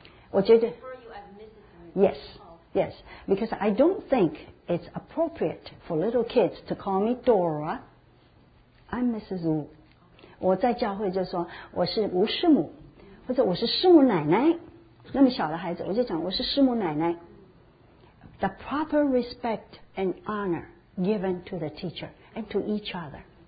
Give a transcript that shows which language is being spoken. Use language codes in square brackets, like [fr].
[zh] 我觉得 [en] Yes Yes Because I don't thinkIt's appropriate for little kids to call me Dora. I'm Mrs. Wu. [zh] 我在教会就说我是吴师母，或者我是师母奶奶。那么小的孩子，我就讲我是师母奶奶。 [en] The proper respect and honor given to the teacher and to each other.